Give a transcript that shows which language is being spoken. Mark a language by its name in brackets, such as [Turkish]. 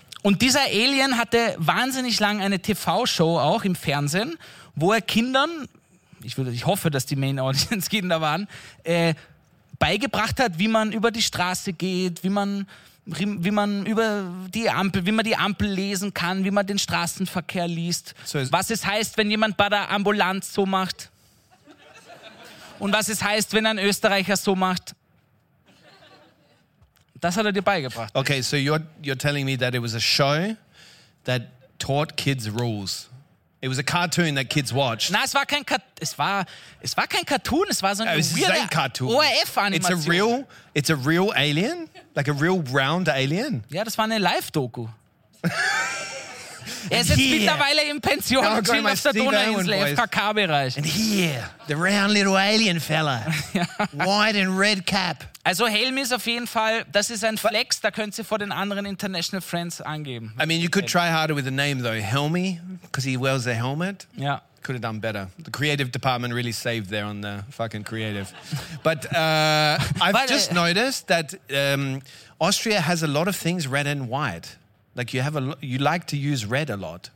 [German] Und dieser Alien hatte wahnsinnig lang eine TV-Show auch im Fernsehen, wo er Kindern, ich hoffe, dass die [English] Main Audience [German] Kinder waren, beigebracht hat, wie man über die Straße geht, wie man die Ampel lesen kann, wie man den Straßenverkehr liest, so was es heißt, wenn jemand bei der Ambulanz so macht und was es heißt, wenn ein Österreicher so macht. Das hat er dir beigebracht. [English] Okay, so you're telling me that it was a show that taught kids rules. It was a cartoon that kids watched. [German] Nein, es war kein Cartoon, es war so ein ORF-Animation. [English] It's a real alien? Like a real round alien? [German] Ja, das war eine Live-Doku. Er sitzt [English] here, [German] mittlerweile in Pension, auf der Donauinsel, FKK-Bereich. [English] And here, the round little alien fella. White and red cap. [German] Also Helm ist auf jeden Fall, das ist ein Flex, da könnt ihr vor den anderen [English] international friends [German] angeben. [English] I mean, you could try harder with the name though, Helmy, because he wears a helmet. Yeah. Could have done better. The creative department really saved there on the fucking creative. But I've just noticed that Austria has a lot of things red and white. Like you have a, you like to use red a lot.